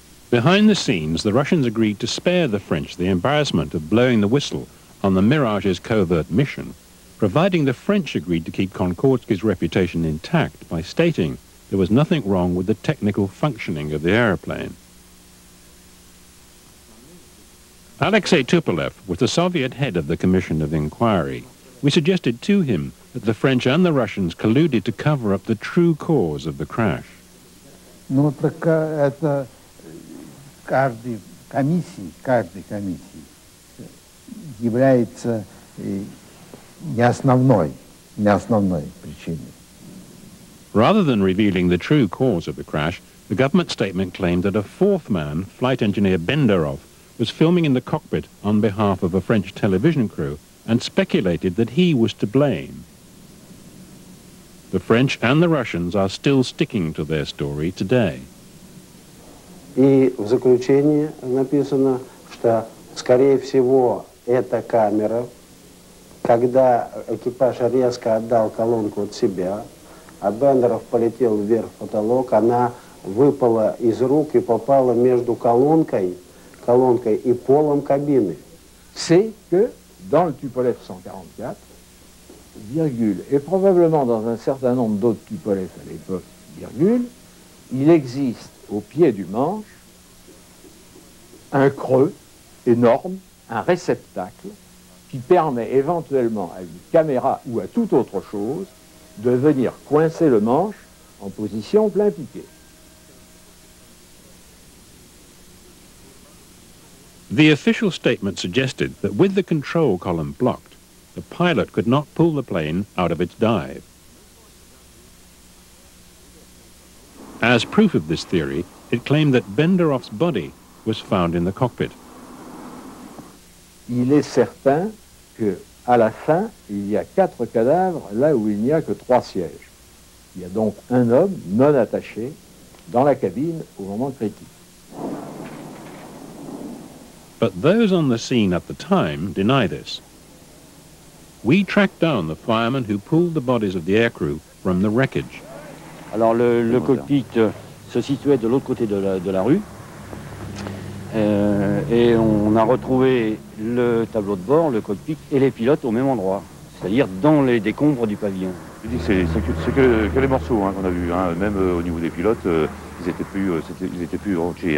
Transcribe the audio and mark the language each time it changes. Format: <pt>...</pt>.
<en>Behind the scenes, the Russians agreed to spare the French the embarrassment of blowing the whistle on the Mirage's covert mission, providing the French agreed to keep Konkordski's reputation intact by stating there was nothing wrong with the technical functioning of the aeroplane. Alexei Tupolev was the Soviet head of the Commission of Inquiry. We suggested to him that the French and the Russians colluded to cover up the true cause of the crash.</en> <ru>Ну, так это каждой комиссии является не основной причиной.</ru> <en>Rather than revealing the true cause of the crash, the government statement claimed that a fourth man, flight engineer Benderov, was filming in the cockpit on behalf of a French television crew and speculated that he was to blame. The French and the Russians are still sticking to their story today.</en> <ru>И в заключении написано, что, скорее всего, эта камера, когда экипаж резко отдал колонку от себя, а Бендеров полетел вверх в потолок, она выпала из рук и попала между колонкой и полом кабины.</ru> <fr>C'est que dans le Tupolev 144, virgule, et probablement dans un certain nombre d'autres Tupolev à l'époque, virgule, il existe au pied du manche un creux énorme, un réceptacle, qui permet éventuellement à une caméra ou à toute autre chose de venir coincer le manche en position plein piqué.</fr> <en>The official statement suggested that with the control column blocked, the pilot could not pull the plane out of its dive. As proof of this theory, it claimed that Benderov's body was found in the cockpit.</en> <fr>Il est certain que à la fin, il y a quatre cadavres là où il n'y a que trois sièges. Il y a donc un homme non attaché dans la cabine au moment critique.</fr> <en>But those on the scene at the time deny this. We tracked down the fireman who pulled the bodies of the aircrew from the wreckage.</en> <fr>Alors le cockpit se situait de l'autre côté de la rue. Et on a retrouvé le tableau de bord, le cockpit et les pilotes au même endroit, c'est-à-dire dans les décombres du pavillon. C'est que les morceaux hein, qu'on a vus, hein, même au niveau des pilotes, ils étaient plus entiers.</fr>